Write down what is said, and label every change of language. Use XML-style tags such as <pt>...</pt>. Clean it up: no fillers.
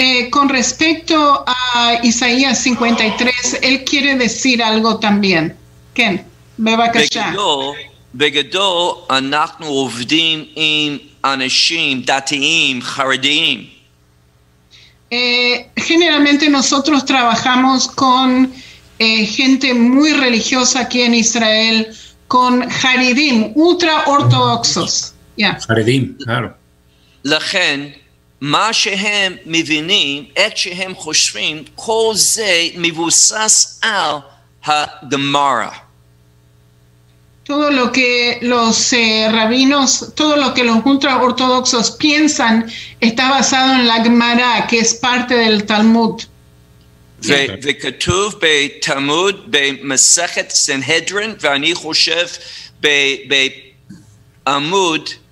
<es>Con respecto a Isaías 53, él quiere decir algo también.</es> <he>כן, בבקשה. בגדול, אנחנו עובדים עם אנשים דתיים, חרדיים.</he> <es>Generalmente nosotros trabajamos con gente muy religiosa aquí en Israel, con Haredim, ultra ortodoxos. Haredim, claro.</es> <he>לכן, מה שהם מבינים, את שהם חושבים, כל זה מבוסס על הגמרא.</he> <es>Todo lo que los rabinos, todo lo que los ultra ortodoxos piensan, está basado en la Gemara, que es parte del Talmud.</es> <he>וכתוב בתלמוד במסכת סנהדרין, ואני חושב בעמוד</he>